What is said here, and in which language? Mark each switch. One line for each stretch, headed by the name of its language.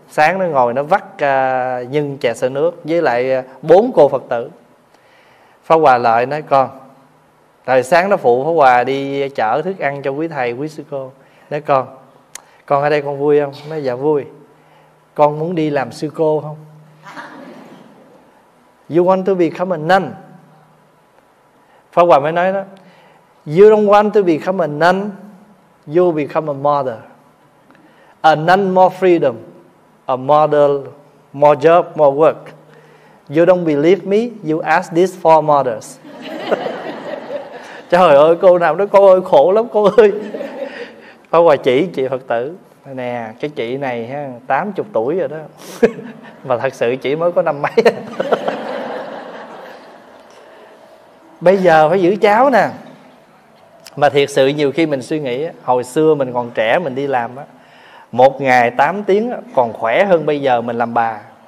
Vietnamese: Sáng nó ngồi nó vắt nhân chè sữa nước với lại 4 cô Phật tử. Pháp Hòa lại nói: con, tại sáng nó phụ Pháp Hòa đi chở thức ăn cho quý thầy quý sư cô. Nói: con, con ở đây con vui không? Nói: dạ vui. Con muốn đi làm sư cô không?
English: You want to become a nun? Pháp Hòa
Vietnamese: mới nói đó:
English: you don't want to become a nun, you become a mother. A nun more freedom, a mother more job, more work. You don't believe me, you ask these 4 mothers.
Vietnamese: Trời ơi, cô nào nói: cô ơi khổ lắm cô ơi. Pháp Hòa chỉ chị Phật tử: nè, cái chị này 80 tuổi rồi đó. Mà thật sự chị mới có năm mấy. Bây giờ phải giữ cháu nè. Mà thiệt sự nhiều khi mình suy nghĩ, hồi xưa mình còn trẻ mình đi làm á, một ngày 8 tiếng còn khỏe hơn bây giờ mình làm bà.